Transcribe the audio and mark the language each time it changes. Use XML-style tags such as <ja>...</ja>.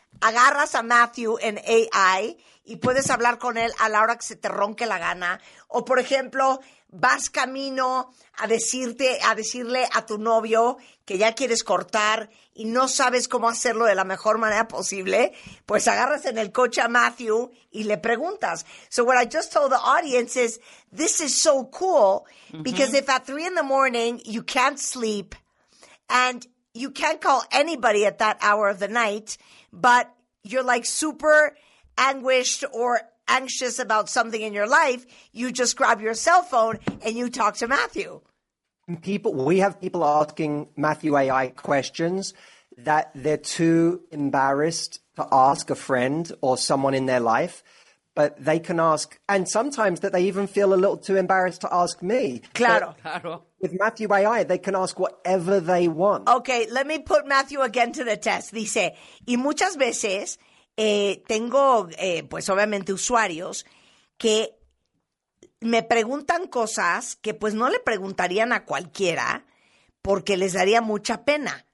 <es>agarras a Matthew en AI y puedes hablar con él a la hora que se te ronque la gana. O, por ejemplo, vas camino a decirle a tu novio que ya quieres cortar y no sabes cómo hacerlo de la mejor manera posible, pues agarras en el coche a Matthew y le preguntas.</es> <en>So what I just told the audience is, this is so cool, because if at 3 a.m, you can't sleep and you can't call anybody at that hour of the night, but you're like super anguished or anxious about something in your life, you just grab your cell phone and you talk to Matthew. We have people asking Matthew AI questions that they're too embarrassed to ask a friend or someone in their life, but they can ask, and sometimes that they even feel a little too embarrassed to ask me.</en> <es>Claro.</es> <en>With Matthew AI, they can ask whatever they want. Okay, let me put Matthew again to the test.</en> <es>Dice, y muchas veces tengo, pues obviamente, usuarios que me preguntan cosas que pues no le preguntarían a cualquiera porque les daría mucha pena.</es>